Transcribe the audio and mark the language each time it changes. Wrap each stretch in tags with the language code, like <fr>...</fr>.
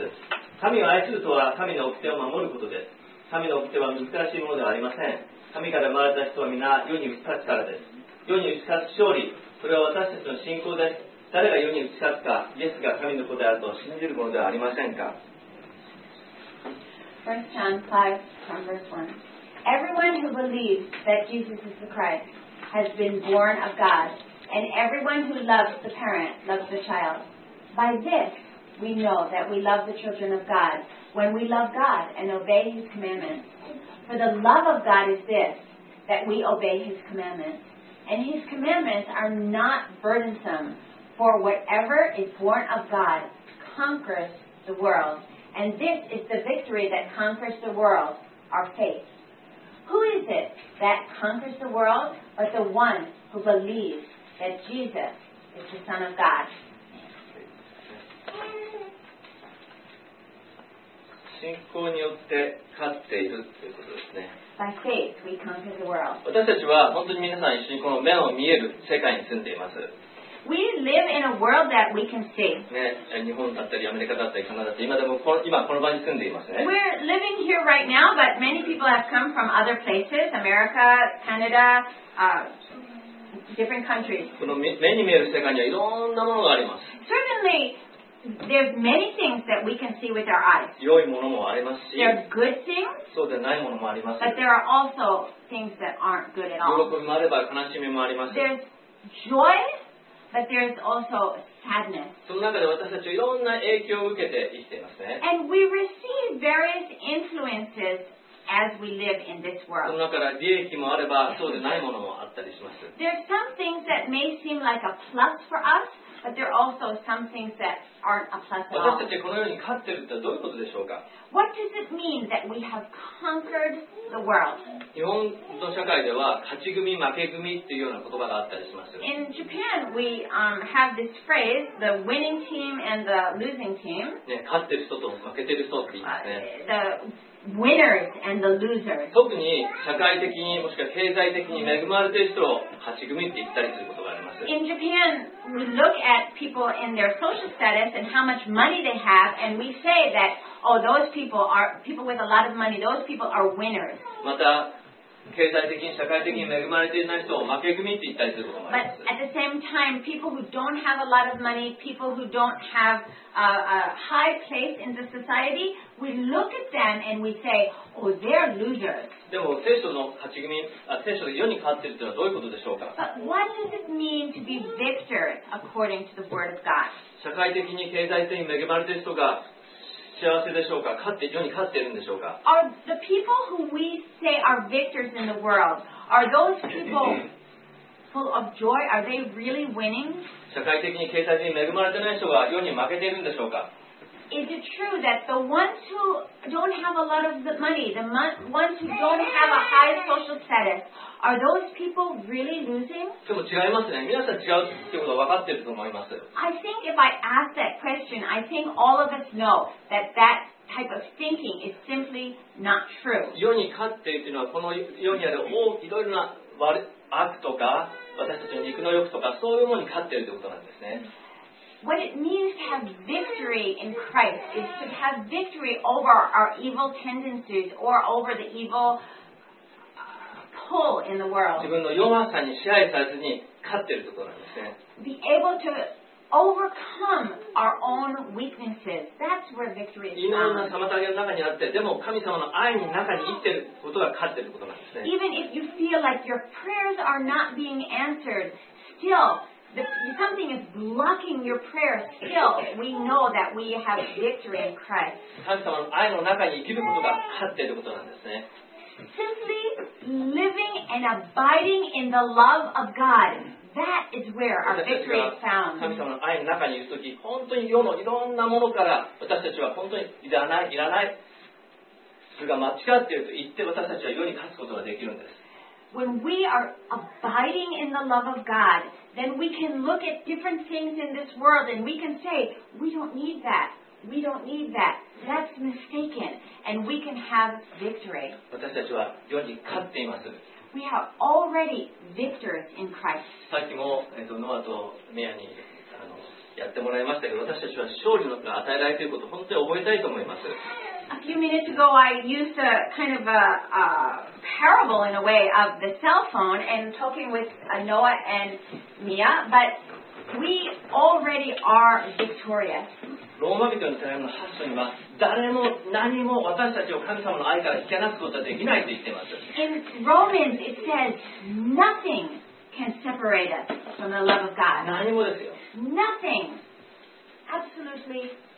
<ja>神を愛するとは神の掟を守ることです。神の掟は難しいものではありません。神から生まれた人は皆世に打ち勝つからです。世に打ち勝つ勝利、それは私たちの信仰です。誰が世に打ち勝つか、イエスが神の子であると信じるものではありませんか。</ja> <en>First John 5, verse 1. Everyone who believes that Jesus is the Christ has been born of God, and everyone who loves the parent loves the child. By this we know that we love the children of God, when we love God and obey His commandments. For the love of God is this, that we obey His commandments. And His commandments are not burdensome. For whatever is born of God conquers the world. And this is the victory that conquers the world, our faith. Who is it that conquers the world but the one who believes that Jesus is the Son of God?</en> <ja>信仰によって勝っているということですね。</ja> <en>By faith, we conquer the world.</en> <ja>私たちは本当に皆さん一緒にこの目を見える世界に住んでいます。</ja> <en>We live in a world that we can see.</en> <ja>ね、日本だったりアメリカだったりカナダだったり、今でもこの、今この場に住んでいますね。</ja> <en>We're living here right now, but many people have come from other places, America, Canada, different countries.</en> <ja>この目に見える世界にはいろんなものがあります。</ja> <en>Certainly, there's many things that we can see with our eyes.</en> <ja>良いものもありますし、</ja> <en>there are good things.</en> <ja>そうでないものもあります。</ja> <en>But there are also things that aren't good at all.</en> <ja>喜びもあれば悲しみもあります。</ja> <en>There's joy. But there's also sadness.</en> <ja>その中で私たちはいろんな影響を受けて生きていますね。</ja> <en>And we receive various influences as we live in this world.</en> <ja>その中から利益もあればそうでないものもあったりします。</ja> <en>There's some things that may seem like a plus for us, but there are also some things that aren't a plus at all.</en> <ja>私たちこのように勝っているってどういうことでしょうか。</ja> <en>What does it mean that we have conquered the world?</en> <ja>日本の社会では勝ち組負け組っていうような言葉があったりします。</ja> <en>In Japan, we have this phrase, the winning team and the losing team.</en> <ja>ね、勝ってる人と負けてる人って言いますね。</ja> <en>The winners and the losers.</en> <ja>特に社会的にもしくは経済的に恵まれてる人を勝ち組って言ったりすることがあります。</ja> <en>In Japan, we look at people in their social status and how much money they have, and we say that. Oh, those people are people with a lot of money. Those people are winners.</en> <ja>また経済的に社会的に恵まれていない人を負け組って言ったりすることもあります。</ja> <en>But at the same time, people who don't have a lot of money, people who don't have a high place in the society, we look at them and we say, oh, they're losers.</en> <ja>でも聖書の勝ち組、聖書で世に勝ってるというのはどういうことでしょうか。</ja> <en>But what does it mean to be victor according to the word of God?</en> <ja>社会的に経済的に恵まれている人が幸せでしょうか。勝って世に勝っているんでしょうか。</ja> <en>Are the people who we say are victors in the world, are those people full of joy? Are they really winning?</en> <ja>社会的に経済的に恵まれてない人が世に負けているんでしょうか。</ja> <en>Is it true that the ones who don't have a lot of the money, the ones who don't have a high social status, are those people really losing?</en> <ja>でも違いますね。皆さん違うってことは分かってると思います。</ja> <en>I think if I ask that question, I think all of us know that that type of thinking is simply not true.</en> <ja>世に勝っているというのはこの世にあるいろいろな悪とか私たちの肉の欲とかそういうものに勝っているということなんですね。</ja> <en>What it means to have victory in Christ is to have victory over our evil tendencies or over the evil pull in the world.</en> <ja>自分の弱さに支配されずに勝っているところなんですね。</ja> <en>Be able to overcome our own weaknesses. That's where victory is found.</en> <ja>異難な妨げの中にあって、でも神様の愛の中に生きていることが勝っていることなんですね。</ja> <en>Even if you feel like your prayers are not being answered, still, something is blocking your prayer. Still, we know that we have victory in Christ.</en> <ja>神様の愛の中に生きることが勝っていることなんですね。</ja> <en>Simply living and abiding in the love of God, that is where our victory is found.</en> <ja>神様の愛の中にいるとき、本当に世のいろんなものから私たちは本当にいらない、いらない、それが間違っていると言って私たちは世に勝つことができるんです。</ja> <en>When we are abiding in the love of God, then we can look at different things in this world and we can say, we don't need that. We don't need that. That's mistaken. And we can have victory.</en> <ja>私たちは世に勝っています。</ja> <en>We are already victors in Christ.</en> <ja>さっきも、ノアとメアにやってもらいましたけど、私たちは勝利が与えられていることを本当に覚えたいと思います。</ja> <en>A few minutes ago, I used a kind of a parable in a way of the cell phone and talking with Noah and Mia, but we already are victorious.</en> <ja>ローマ人の手紙の8章には誰も何も私たちを神様の愛から引き離すことはできないと言っています。</ja> <en>In Romans it says nothing can separate us from the love of God.</en> <ja>何もですよ。</ja> <en>Nothing. Absolutely nothing.</en>